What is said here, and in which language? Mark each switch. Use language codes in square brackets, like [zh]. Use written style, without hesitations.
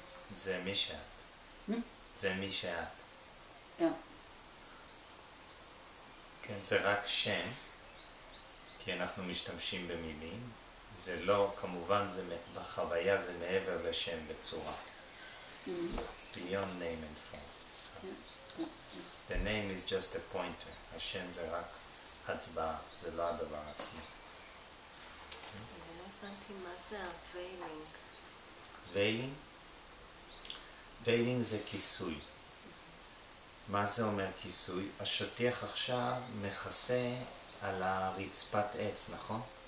[he] זה מי שאת. זה מי שאת. כן, זה רק שם, כי אנחנו משתמשים במילים. זה לא, כמובן, זה בחוויה, זה מעבר לשם בצורה. [en] It's beyond name and form. The name is just a pointer. [he] השם זה רק הצבעה, זה לא הדבר עצמו. אני לא הבנתי מה זה ה-veiling. [en] Veiling? [he] Veiling זה כיסוי. מה זה אומר כיסוי? השטיח עכשיו מכסה על הרצפת עץ, נכון?